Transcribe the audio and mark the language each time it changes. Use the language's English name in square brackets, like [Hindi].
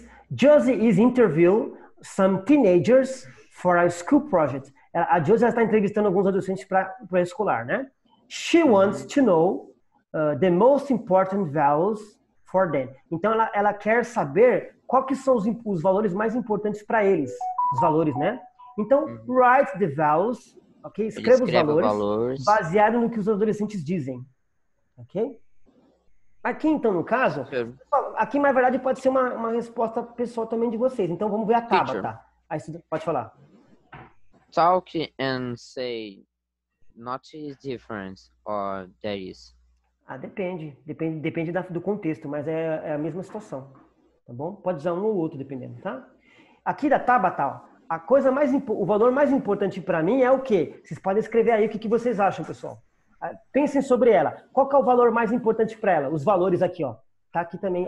[English] Josie is interviewing some teenagers for a school project. [Portuguese] A Josie está entrevistando alguns adolescentes para o pré-escolar, né? [English] She wants to know the most important values for them. [Portuguese] Então ela quer saber qual que são os valores mais importantes para eles. Os valores, né? Então, [English] write the values. [Portuguese] Ok? Escreva os valores baseado no que os adolescentes dizem. Ok? Aqui, então, no caso, aqui, na verdade, pode ser uma resposta pessoal também de vocês. Então, vamos ver a Tabata. Aí você pode falar. [English] Talk and say not is different or there is. [Portuguese] Depende. Depende do contexto, mas é a mesma situação. Tá bom? Pode usar um ou outro, dependendo, tá? Aqui da Tabata, ó. O valor mais importante para mim é o quê? Vocês podem escrever aí o que vocês acham, pessoal. Pensem sobre ela. Qual que é o valor mais importante para ela? Os valores aqui, ó. Tá aqui também.